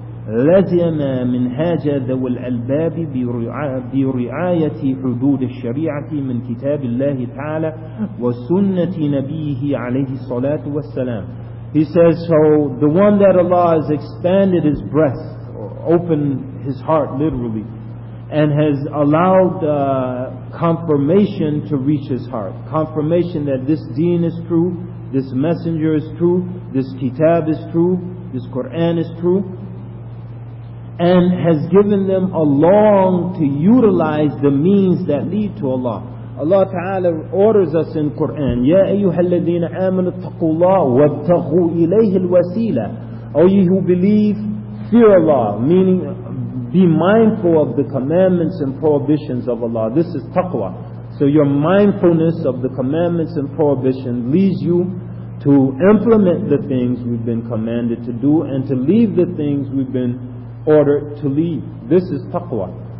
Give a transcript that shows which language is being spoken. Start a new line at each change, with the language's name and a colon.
Arabic: لزم منهاج ذوي الألباب برعاية حدود الشريعة من كتاب الله تعالى وسنة نبيه عليه الصلاة والسلام.
English: He says, so the one that Allah has expanded his breast, or opened his heart literally, and has allowed confirmation to reach his heart, confirmation that this deen is true, this messenger is true, this kitab is true, this Quran is true, and has given them a long to utilize the means that lead to Allah. Allah Ta'ala orders us in Quran,
Arabic: يَا أَيُّهَا الَّذِينَ آمَنُوا اتَّقُوا اللَّهُ وَابْتَغُوا إِلَيْهِ الْوَسِيلَةِ.
English: O ye who believe, fear Allah, meaning be mindful of the commandments and prohibitions of Allah. This is taqwa. So your mindfulness of the commandments and prohibitions leads you to implement the things we've been commanded to do and to leave the things we've been ordered to leave. This is taqwa.